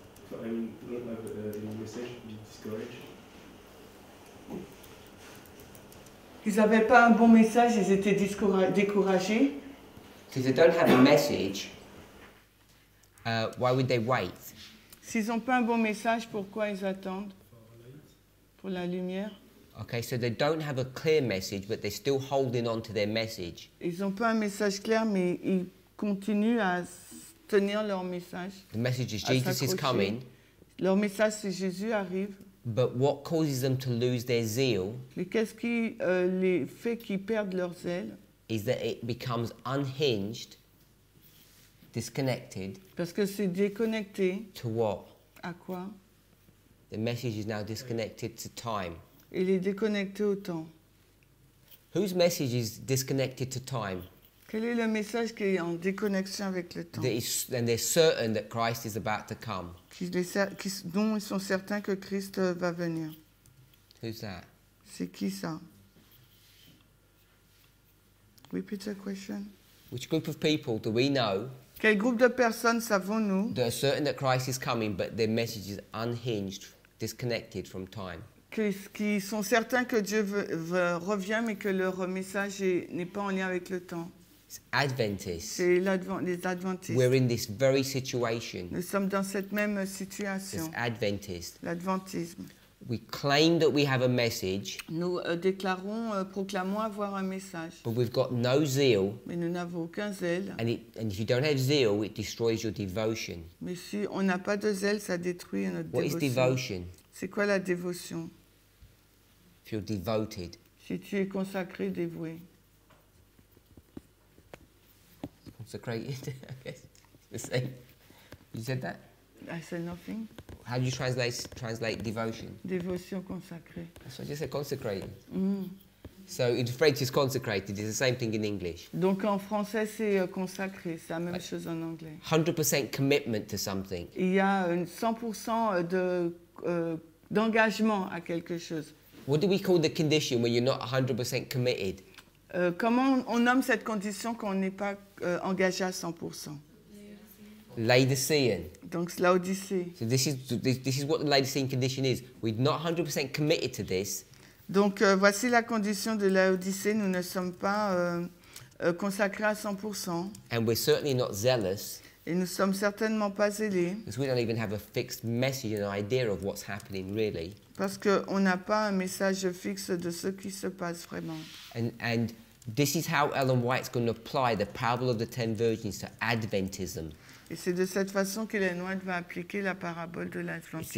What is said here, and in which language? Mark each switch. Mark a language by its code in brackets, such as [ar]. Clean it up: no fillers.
[en] So, I mean, not have any message, be discouraged? [fr] Ils n'avaient pas un bon message, ils étaient découragés. [en] Because they don't have a message, why would they wait? [fr] S'ils n'ont pas un bon message, pourquoi ils attendent? Pour la lumière? [en] Okay, so they don't have a clear message, but they're still holding on to their message. [fr] Ils ont pas un message clair, mais ils continuent à tenir leur message. [en] The message is Jesus is coming. [fr] Leur message, c'est Jésus arrive. [en] But what causes them to lose their zeal? [fr] Mais qu'est-ce qui les fait qu'ils perdent leur zèle? [en] Is that it becomes unhinged, disconnected. [fr] Parce que c'est déconnecté. [en] To what? [fr] À quoi? [en] The message is now disconnected to time. [fr] Il est déconnecté au temps. [en] Whose message is disconnected to time? [fr] Quel est le message qui est en déconnexion avec le temps? [en] And they're certain that Christ is about to come. [fr] Dont ils sont certains que Christ va venir. [en] Who's that? [fr] C'est qui ça? [en] Repeat the question. Which group of people do we know? [fr] Quel groupe de personnes savons-nous? [en] That are certain that Christ is coming, but their message is unhinged, disconnected from time. [fr] Qui sont certains que Dieu revient, mais que leur message n'est pas en lien avec le temps. C'est les Adventistes. [en] We're in this very situation. [fr] Nous sommes dans cette même situation. L'Adventisme. [en] We claim that we have a message. [fr] Nous proclamons avoir un message. [en] But we've got no zeal. [fr] Mais nous n'avons aucun zèle. [en] And if you don't have zeal, it destroys your devotion. [fr] Mais si on n'a pas de zèle, ça détruit notre dévotion. [en] What is devotion? [fr] C'est quoi la dévotion? [en] If you're devoted. [fr] Si tu es consacré, dévoué. [en] Consecrated, I guess. The same. You said that? I said nothing. How do you translate devotion? [fr] Dévotion consacrée. [en] That's what you said, consecrated. So in French, it's consecrated. It's the same thing in English. [fr] Donc en français, c'est consacré. C'est la même chose en anglais. [en] 100% commitment to something. [fr] Il y a 100% de d'engagement à quelque chose. [en] What do we call the condition when you're not 100% committed? [fr] Comment on nomme cette condition quand on n'est pas engagé à 100%? [en] Laodicean. [fr] Donc l'Odyssée. [en] So this is what the Laodicean condition is. We're not 100% committed to this. [fr] Donc voici la condition de l'Odyssée. Nous ne sommes pas consacrés à 100%. [en] And we're certainly not zealous. [fr] Et nous ne sommes certainement pas zélés. [en] Because we don't even have a fixed message and idea of what's happening really. [fr] Parce qu'on n'a pas un message fixe de ce qui se passe vraiment. [en] And this is how Ellen White's going to apply the parable of the ten virgins to Adventism. [fr] Et c'est de cette façon qu'Ellen White va appliquer la parabole de l'Adventisme.